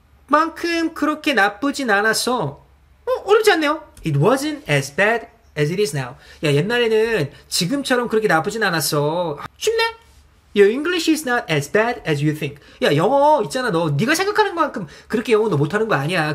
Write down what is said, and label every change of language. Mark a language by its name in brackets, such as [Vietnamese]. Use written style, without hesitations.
[Korean] 지금만큼 그렇게 나쁘진 않았어. 어렵지 않네요. [English] It wasn't as bad as it is now. [Korean] 야 옛날에는 지금처럼 그렇게 나쁘진 않았어. 쉽네? [English] Your English is not as bad as you think. [Korean] 야 영어 있잖아 너 네가 생각하는 것만큼 그렇게 영어 너 못하는 거 아니야.